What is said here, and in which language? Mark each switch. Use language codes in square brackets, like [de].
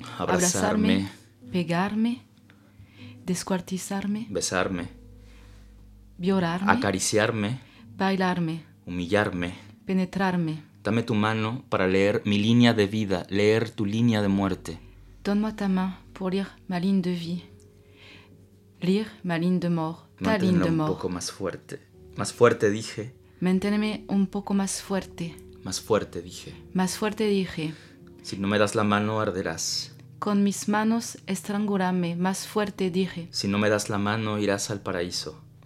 [es] abrazarme. Pegarme. Descuartizarme. Besarme. Llorarme. Acariciarme. Bailarme. Humillarme. Penetrarme. Dame tu mano para leer mi línea de vida, leer tu línea de muerte. [fr] Donne-moi ta main pour lire ma ligne de vie. Lire ma ligne de mort. Ta ligne de mort. [es] Manténme un poco más fuerte. Más fuerte, dije. Manténme un poco más fuerte. Más fuerte, dije. Más fuerte, dije. Si no me das la mano, arderás. Con mis manos, estrangúlame. Más fuerte, dije. Si no me das la mano, irás al paraíso.